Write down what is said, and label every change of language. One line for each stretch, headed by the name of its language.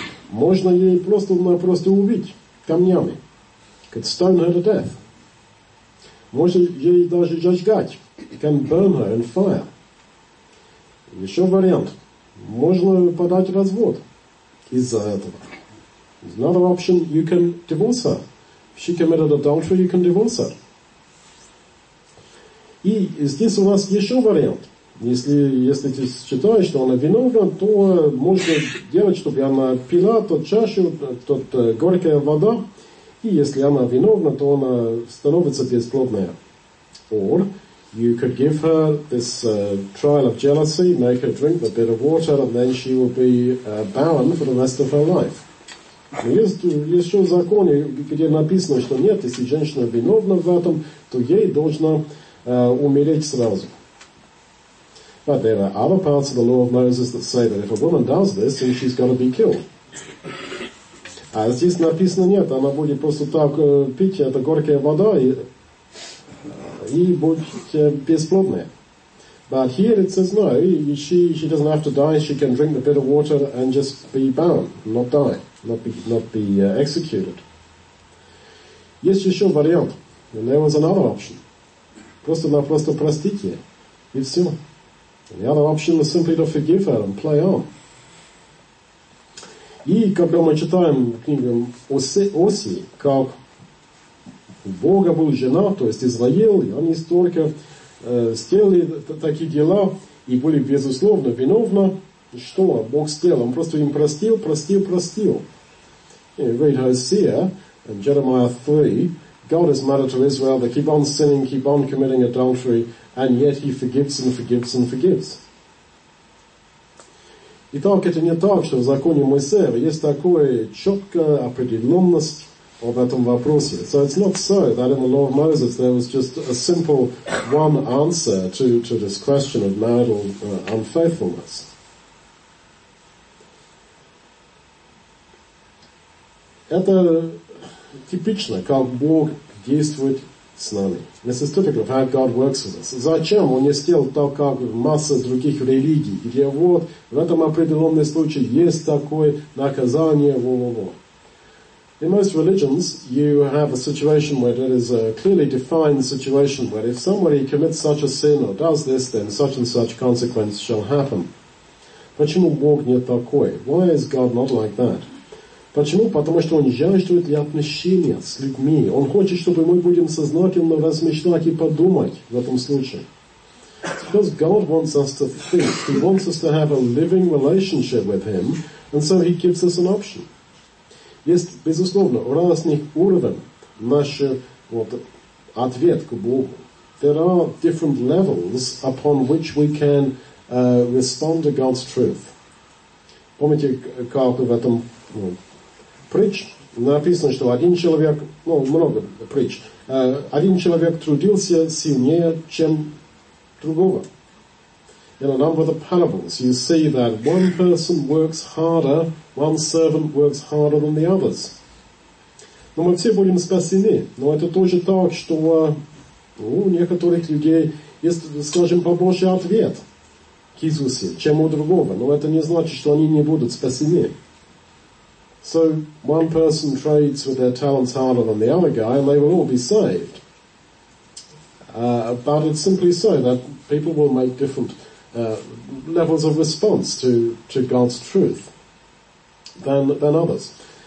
Russian: Можно ей просто-напросто убить камнями.
English: Could stone her to death.
Russian: Можно ей даже зажигать.
English: Can burn her in fire.
Russian: Еще вариант. Можно подать развод из-за этого.
English: Another option, you can divorce her. If she committed adultery, you can divorce her.
Russian: И здесь у нас еще вариант. Если ты считаешь, что она виновна, то можно делать, чтобы она пила тот чашу, тот горькая вода. И если она виновна, то она становится бесплодная.
English: Or you could give her this trial of jealousy, make her drink a bit of water, and then she will be barren for the rest of her life.
Russian: Но есть еще законы, где написано, что нет, если женщина виновна в этом, то ей должна умереть сразу.
English: But there are other parts of the law of Moses that say that if a woman does this, then she's got to be killed.
Russian: А здесь написано нет, она будет просто так пить эту горькую воду и будет бесплодная.
English: But here it says no, she doesn't have to die, she can drink a bit of water and just be bound, not die, not be executed.
Russian: Есть еще вариант,
English: and there was another option.
Russian: Просто-напросто простите ей, и все.
English: And the other option was simply to forgive her and play on.
Russian: И когда мы читаем книгу Оси, как у Бога был женат, то есть Израил, и они столько сделали такие дела, и были безусловно виновны, что Бог сделал? Он просто им простил, простил, простил.
English: You read Hosea and Jeremiah 3, God is mad at Israel, they keep on sinning, keep on committing adultery, and yet he forgives and forgives and forgives.
Russian: Итак, это не так, что в законе Моисеева есть такая четкая определенность об этом вопросе.
English: So it's not so that in the law of Moses there was just a simple one answer to this question of marital unfaithfulness.
Russian: Это типично, как Бог действует с нами.
English: This is typical of how God works with us.
Russian: Зачем он не сделал так, как масса других религий, где вот в этом определенном случае есть такое наказание, во-во-во.
English: In most religions, you have a situation where there is a clearly defined situation where if somebody commits such a sin or does this, then such and such consequence shall happen.
Russian: Почему Бог не такой?
English: Why is God not like that?
Russian: Почему? Потому что он жаждет для отношения с людьми. Он хочет, чтобы мы будем сознательно размышлять и подумать в этом случае.
English: Because God wants us to think. He wants us to have a living relationship with him. And so he gives us an option.
Russian: Есть, безусловно, разный уровень нашего ответ к Богу.
English: There are different levels upon which we can respond to God's truth.
Russian: Помните, как в этом... Притч написано, что один человек, ну, много притч, один человек трудился сильнее, чем другого.
English: In a number of the parables, you see that one person works harder, one servant works harder than the others.
Russian: Но мы все будем спасены. Но это тоже так, что у некоторых людей есть, скажем, побольше ответ к Иисусе, чем у другого. Но это не значит, что они не будут спасены.
English: So one person trades with their talents harder than the other guy, and they will all be saved. But it's simply so that people will make different levels of response to God's truth than others.